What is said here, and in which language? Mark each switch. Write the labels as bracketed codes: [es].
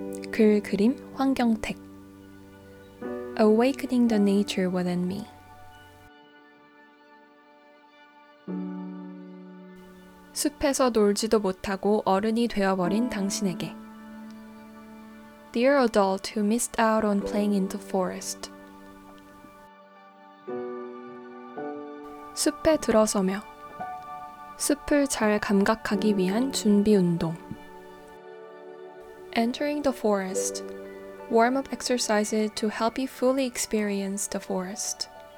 [ko] 글 그림 [en] 황경택. Awakening the nature within me. [ko] 숲에서 놀지도 못하고 어른이 되어버린 당신에게. [en] Dear adult who missed out on playing in the forest. [ko] 숲에 들어서며. 숲을 잘 감각하기 위한 준비 운동. [en] Entering the forest. Warm-up exercises to help you fully experience the forest.